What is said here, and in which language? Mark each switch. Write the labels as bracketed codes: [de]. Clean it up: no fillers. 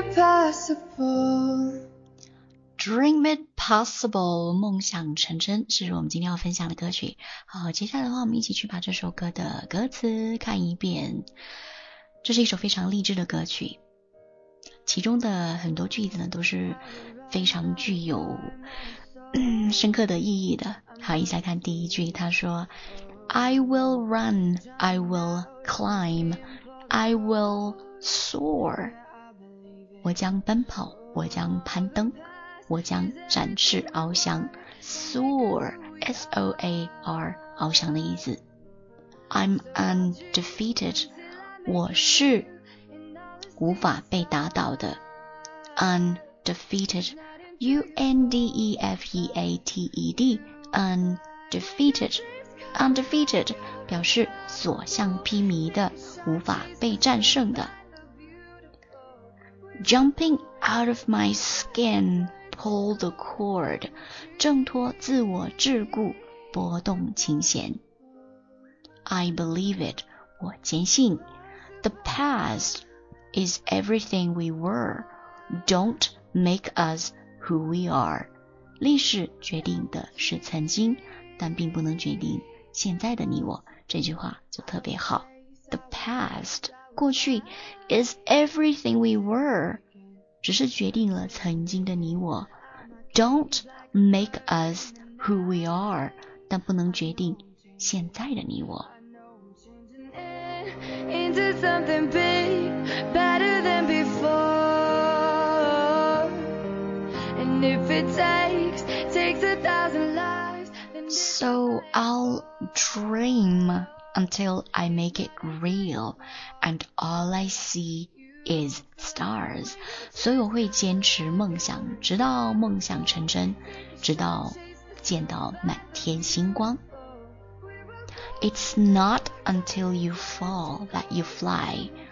[en] Dream it possible, [zh] 梦想成真，是我们今天要分享的歌曲。好，接下来的话，我们一起去把这首歌的歌词看一遍。这是一首非常励志的歌曲，其中的很多句子呢，都是非常具有深刻的意义的。好，一起来看第一句，他说 [en] I will run, I will climb, I will soar. [zh] 我将奔跑，我将攀登，我将展翅翱翔。 Soar, S-O-A-R, 翱翔的意思。 [en] I'm undefeated, [zh] 我是无法被打倒的。 Undefeated, U-N-D-E-F-E-A-T-E-D, Undefeated, Undefeated, 表示所向披靡的，无法被战胜的。 [en] Jumping out of my skin,Pull the cord, [zh] 挣脱自我桎梏，拨动琴弦。 [en] I believe it, [zh] 我坚信。 [en] The past is everything we were, don't make us who we are. [zh] 历史决定的是曾经，但并不能决定现在的你我，这句话就特别好。 The past, 过去 [en] is everything we were, [zh] 只是决定了曾经的你我。 [en] Don't make us who we are, [zh] 但不能决定现在的你我。 [en] Into something big, better than before. And if it takes, takes a thousand lives, then So I'll dream until I make it real, and all I see is stars. [zh] 所以我会坚持梦想，直到梦想成真，直到见到满天星光。 [en] It's not until you fall that you fly.